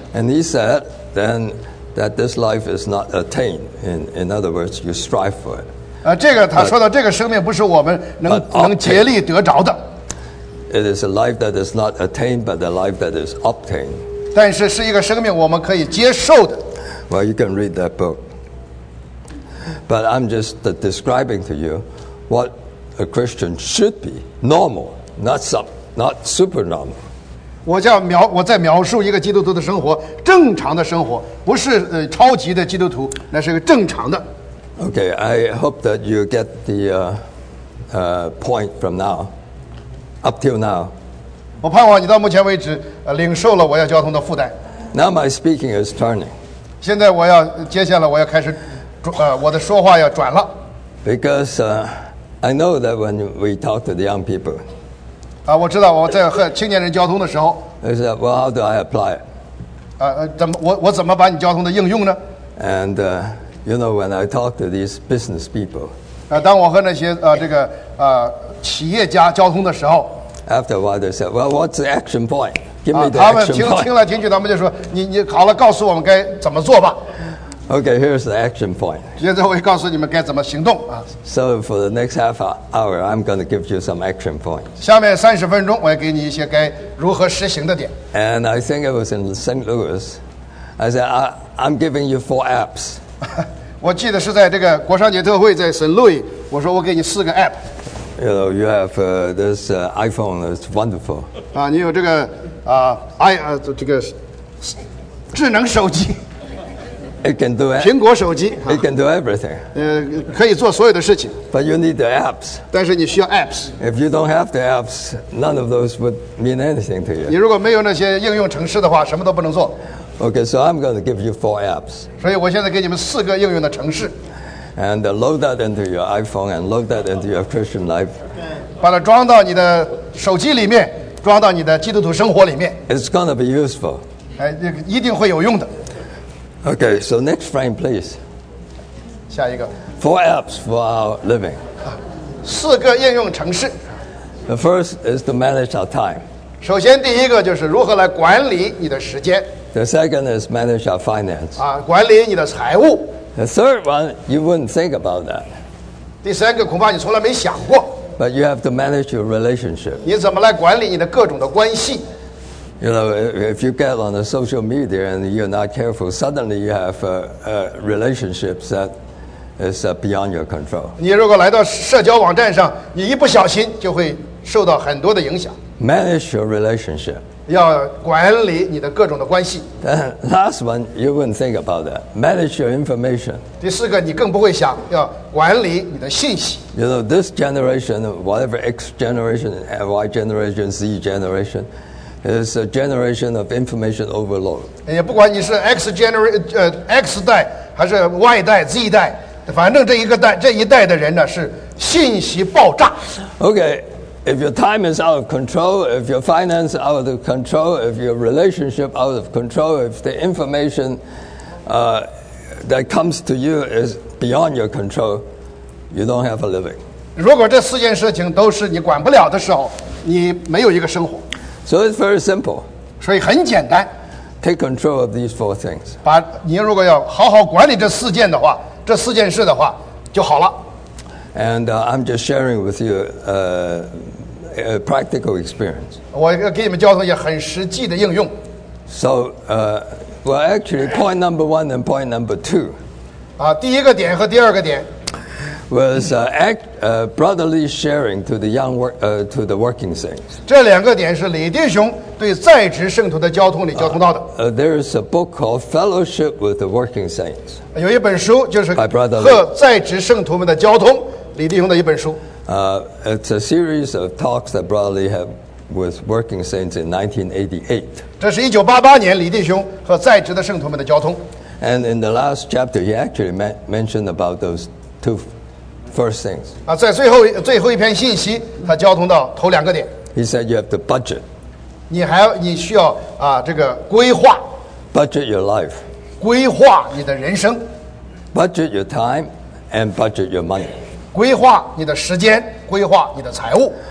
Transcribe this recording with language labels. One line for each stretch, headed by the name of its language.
English: And he said then that this life is not attained. In other words, you strive for it.
Chinese: 这个他说到这个生命不是我们能竭力得着的。
English: It is a life that is not attained, but a life that is obtained.
Chinese: 但是是一个生命我们可以接受的。
English: Well, you can read that book. But I'm just describing to you what a Christian should be. Normal, not super normal.
Chinese: 我在描述一个基督徒的生活，正常的生活，不是超级的基督徒，那是个正常的。
English: Okay, I hope that you get the point from now, up till now.
Chinese: 我盼望你到目前为止领受了我要交通的负担。
English: Now my speaking is turning.
Chinese: 现在我要接下来我要开始我的说话要转了。
English: Because I know that when we talk to the young people.
Chinese: 我知道我在和青年人交通的时候。
English: They said, well, how do I apply it?
Chinese: 我怎么把你交通的应用呢？
English: And you know, when I talk to these business people.
Chinese: 当我和那些这个企业家交通的时候。
English: After a while, they said, "Well, what's the action point? Give me the action point."
Chinese: 他们听了几句，他们就说，你好了，告诉我们该怎么做吧。
English: Okay, here's the action point.
Chinese: 现在我告诉你们该怎么行动啊。
English: So for the next half hour, I'm going to give you some action points.
Chinese: 下面三十分钟，我要给你一些该如何实行的点。
English: And I think it was in St. Louis. I said, I'm giving you four apps.
Chinese: 我记得是在这个国商节特会，在 St. Louis， 我说我给你四个 app。
English: You know, you have this iPhone. It's wonderful.
Chinese: 啊，你有这个这个智能手机。
English: It can do it.
Chinese: 苹果手机。
English: It can do everything.
Chinese: 可以做所有的事情。
English: But you need the apps.
Chinese: 但是你需要 apps.
English: If you don't have the apps, none of those would mean anything to you.
Chinese: 你如果没有那些应用程式的话，什么都不能做。
English: Okay, so I'm going to give you four apps.
Chinese: 所以我现在给你们四个应用的程式。
English: And load that into your iPhone and load that into your Christian life.
Chinese: 把它装到你的手机里面，装到你的基督徒生活里面。
English: It's going to be useful.
Chinese: 一定会有用的。
English: Okay, so next frame, please.
Chinese: 下一个。
English: Four apps for our living.
Chinese: 四个应用程式。
English: The first is to manage our time.
Chinese: 首先第一个就是如何来管理你的时间。
English: The second is manage our finance.
Chinese: 管理你的财务。
English: The third one, you wouldn't think about that.
Chinese: 第三个恐怕你从来没想过。
English: But you have to manage your relationship.
Chinese: 你怎么来管理你的各种的关系？
English: You know, if you get on the social media and you're not careful, suddenly you have relationships that is beyond your control.
Chinese: 你如果来到社交网站上，你一不小心就会受到很多的影响。
English: Manage your relationship.
Chinese: 要管理你的各种的关系。
English: Then last one, you wouldn't think about that. Manage your information.
Chinese: 第四个，你更不会想要管理你的信息。
English: You know, this generation, whatever X generation, Y generation, Z generation. It's a generation of information overload.
Chinese: 也不管你是 X 代还是 Y 代 Z 代，反正这一个代这一代的人呢是信息爆炸。
English: Okay, if your time is out of control, if your finance out of control, if your relationship out of control, if the information that comes to you is beyond your control, you don't have a living.
Chinese: 如果这四件事情都是你管不了的时候，你没有一个生活。
English: So it's very simple.
Chinese: 所以很简单。
English: Take control of these four things.
Chinese: 把你如果要好好管理这四件的话，这四件事的话就好了。
English: And I'm just sharing with you a practical experience.
Chinese: 我给你们交通一些很实际的应用。
English: So, well, actually, point number one and point number two.
Chinese: 第一个点和第二个点。
English: Was brotherly sharing to the young work to the working saints.
Chinese: 这两个点是李弟兄对在职圣徒的交通里交通到的。
English: There is a book called Fellowship with the Working Saints.
Chinese: 有一本书就是和在职圣徒们的交通，李弟兄的一本书。
English: It's a series of talks that brotherly had with working saints in 1988.
Chinese: 这是1988年李弟兄和在职的圣徒们的交通。
English: And in the last chapter, he actually mentioned about those two. First things.
Chinese: 在最后一篇信息，他交通到头两个点。
English: He said you have to budget.
Chinese: 你需要这个规划。
English: Budget your life.
Chinese: 规划你的人生。
English: Budget your time and budget your money.
Chinese: 规划你的时间，规划你的财务。